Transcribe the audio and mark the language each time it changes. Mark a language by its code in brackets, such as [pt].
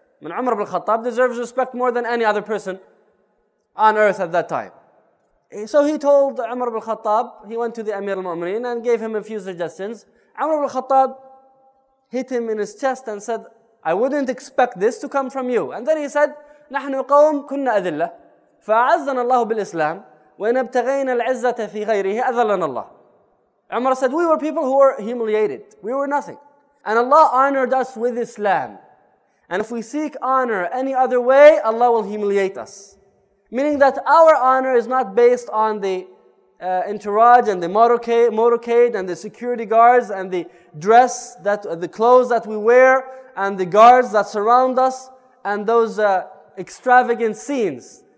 [en] And Umar al-Khattab deserves respect more than any other person on earth at that time. So he told Umar al-Khattab, he went to the Amir al-Mu'mineen and gave him a few suggestions. Umar al-Khattab hit him in his chest and said, I wouldn't expect this to come from you. And then he said, [ar] نَحْنُ قَوْمْ كُنَّ أَذِلَّةِ فَأَعَزَّنَ اللَّهُ بِالْإِسْلَامِ وَنَبْتَغَيْنَ الْعِزَّةَ فِي غَيْرِهِ أَذَلَّنَ اللَّهُ [en] Umar said, we were people who were humiliated. We were nothing. And Allah honored us with Islam. And if we seek honor any other way, Allah will humiliate us. Meaning that our honor is not based on the entourage and the motorcade and the security guards and the dress, that the clothes that we wear and the guards that surround us and those extravagant scenes.